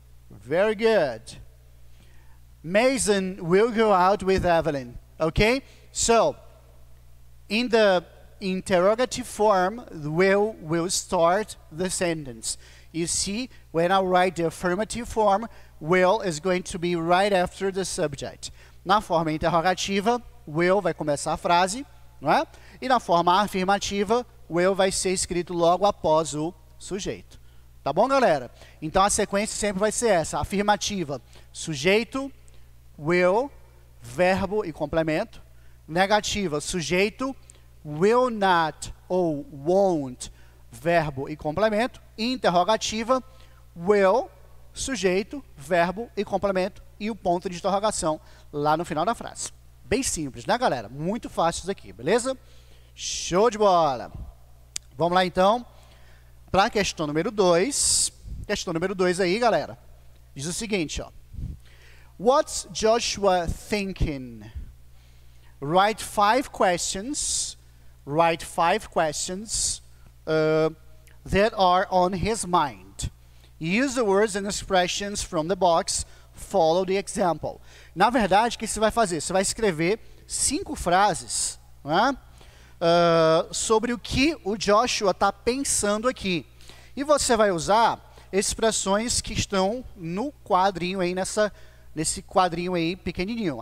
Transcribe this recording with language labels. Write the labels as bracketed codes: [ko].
[en] Very good. Mason will go out with Evelyn. Okay? So, in the interrogative form, will start the sentence. You see, when I write the affirmative form, will is going to be right after the subject. [pt] Na forma interrogativa, will vai começar a frase, não é? E na forma afirmativa, will vai ser escrito logo após o sujeito. Tá bom, galera? Então, a sequência sempre vai ser essa. Afirmativa, sujeito, will, verbo e complemento. Negativa, sujeito, will not ou won't, verbo e complemento. Interrogativa, will, sujeito, verbo e complemento e o ponto de interrogação lá no final da frase. Bem simples, né, galera? Muito fácil isso aqui, beleza? Show de bola! Vamos lá, então, para a questão número 2. Questão número 2 aí, galera. Diz o seguinte, ó. [en] What's Joshua thinking? Write five questions. Write five questions that are on his mind. Use the words and expressions from the box. Follow the example. [pt] Na verdade, o que você vai fazer? Você vai escrever cinco frases, né? Sobre o que o Joshua está pensando aqui. E você vai usar expressões que estão no quadrinho aí, nesse quadrinho aí pequenininho.